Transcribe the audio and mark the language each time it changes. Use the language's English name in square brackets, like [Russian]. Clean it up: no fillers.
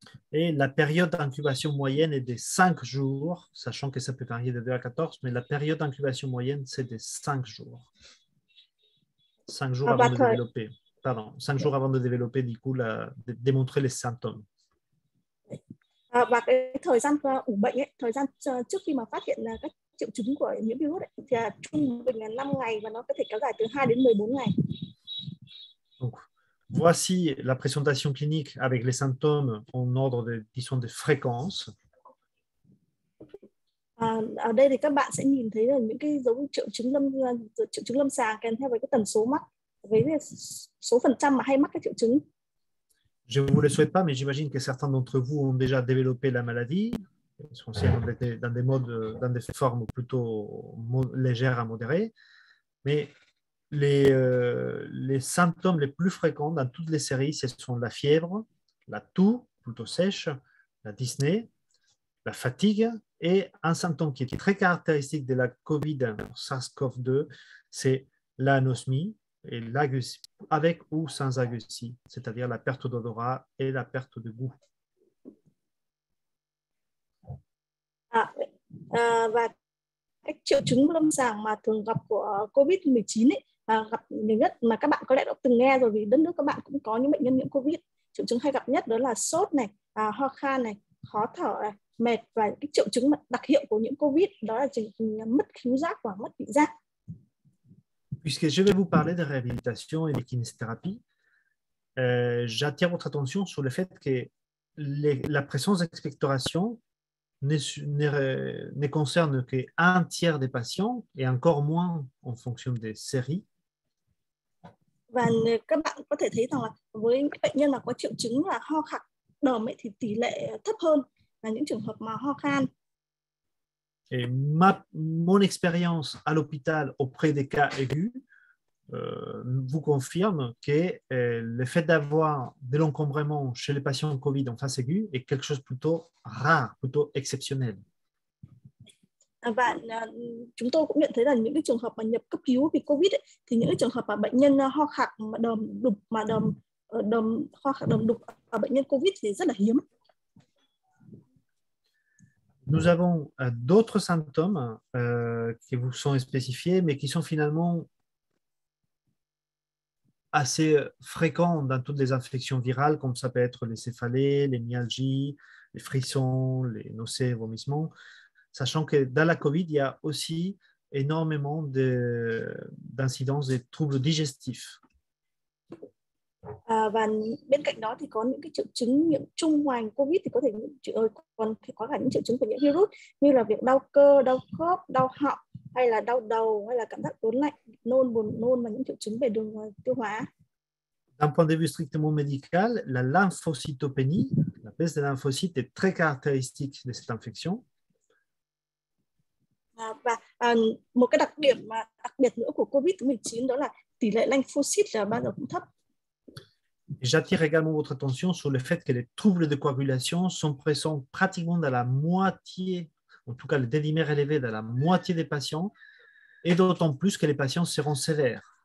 [French] Et la période d'incubation moyenne est de 5 jours, sachant que ça peut varier de 2 à 14, mais la période d'incubation moyenne, c'est de 5 jours. 5 jours avant de développer, pardon, 5 jours avant de développer, du coup, de démontrer les symptômes. [Vietnamese] Và cái thời gian ủ bệnh ấy, thời gian trước khi mà phát hiện các triệu chứng của nhiễm virus ấy, thì trung bình là 5 ngày và nó có thể kéo dài từ 2 đến 14 ngày. [French] Voici la présentation clinique avec les symptômes en ordre de, disons, de fréquence. [Vietnamese] Ở đây thì các bạn sẽ nhìn thấy là những cái dấu triệu chứng lâm sàng kèm theo với cái tần số mắc, với số phần trăm mà hay mắc các triệu chứng. [French] Je ne vous le souhaite pas, mais j'imagine que certains d'entre vous ont déjà développé la maladie, essentiellement dans des formes plutôt légères à modérées. Mais les symptômes les plus fréquents dans toutes les séries, ce sont la fièvre, la toux plutôt sèche, la dyspnée, la fatigue. Et un symptôme qui est très caractéristique de la COVID SARS-CoV-2, c'est l'anosmie. Et l'agusie, avec ou sans agusie, c'est-à-dire la perte d'odorat et la perte de goût. [Vietnamese] Và cái triệu chứng lâm sàng mà thường gặp của COVID-19 ấy, gặp nhiều nhất mà các bạn có lẽ đã từng nghe rồi, vì đất nước các bạn cũng có những bệnh nhân nhiễm COVID. Triệu chứng hay gặp nhất đó là sốt này, ho khan này, khó thở này, mệt, và cái triệu chứng đặc hiệu của nhiễm COVID đó là mất khứu giác và mất vị giác. [French] Puisque je vais vous parler de réhabilitation et de kinésithérapie, j'attire votre attention sur le fait que la présence d'expectoration ne concerne qu'un tiers des patients et encore moins en fonction des séries. [Vietnamese] Và các bạn có thể thấy rằng là với những bệnh nhân mà có triệu chứng là ho khạc đờm ấy, thì tỷ lệ thấp hơn là những trường hợp mà ho khan. [French] Et mon expérience à l'hôpital auprès des cas aigus vous confirme que le fait d'avoir de l'encombrement chez les patients COVID en phase aiguë est quelque chose plutôt rare, plutôt exceptionnel. [Vietnamese] Và chúng tôi cũng nhận thấy là những cái trường hợp mà nhập cấp cứu vì COVID ấy, thì những cái trường hợp mà bệnh nhân ho khạc mà đờm đục mà đờm đờm ho khạc đờm đục ở bệnh nhân COVID thì rất là hiếm. [French] Nous avons d'autres symptômes qui vous sont spécifiés, mais qui sont finalement assez fréquents dans toutes les infections virales, comme ça peut être les céphalées, les myalgies, les frissons, les nausées, vomissements. Sachant que dans la COVID, il y a aussi énormément d'incidences et troubles digestifs. [Vietnamese] Và bên cạnh đó thì có những cái triệu chứng nhiễm trung ngoài COVID thì có thể còn có cả những triệu chứng của nhiễm virus như là việc đau cơ, đau khớp, đau họng hay là đau đầu hay là cảm giác ớn lạnh, nôn, buồn nôn và những triệu chứng về đường tiêu hóa. [French] D'un point de vue strictement médical, la lymphocytopénie, la baisse des lymphocytes est très caractéristique de cette infection. [Vietnamese] Và một cái đặc điểm mà đặc biệt nữa của COVID-19 đó là tỷ lệ lymphocyte là bao giờ cũng thấp. [French] J'attire également votre attention sur le fait que les troubles de coagulation sont présents pratiquement dans la moitié, en tout cas les dédimères élevés dans la moitié des patients, et d'autant plus que les patients seront sévères.